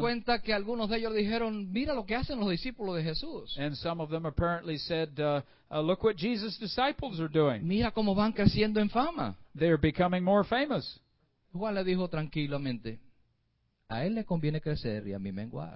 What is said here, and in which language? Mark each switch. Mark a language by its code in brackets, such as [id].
[es] Se cuenta que algunos de ellos dijeron, mira lo que hacen los discípulos de Jesús. [en] And some of them apparently said, look what Jesus' disciples are doing. [es] Mira cómo van creciendo en fama. [en] They're becoming more famous. [es] Juan le dijo tranquilamente, a él le conviene crecer y a mí menguar.